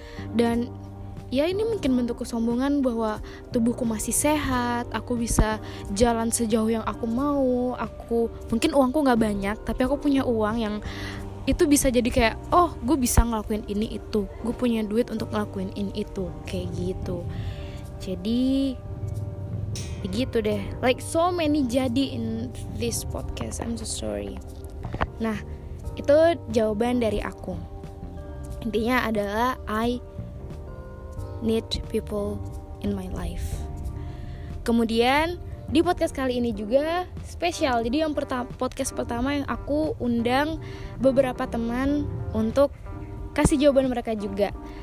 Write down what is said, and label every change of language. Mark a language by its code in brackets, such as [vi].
[id] Dan ya, ini mungkin bentuk kesombongan bahwa tubuhku masih sehat, aku bisa jalan sejauh yang aku mau, aku mungkin uangku gak banyak, tapi aku punya uang yang itu bisa jadi kayak, oh gue bisa ngelakuin ini itu, gue punya duit untuk ngelakuin ini itu, kayak gitu. Jadi begitu deh, [en] like so many jadi in this podcast, I'm so sorry. [id] Nah, itu jawaban dari aku. Intinya adalah [en] I need people in my life. [id] Kemudian di podcast kali ini juga spesial. Jadi yang podcast pertama yang aku undang beberapa teman untuk kasih jawaban mereka juga.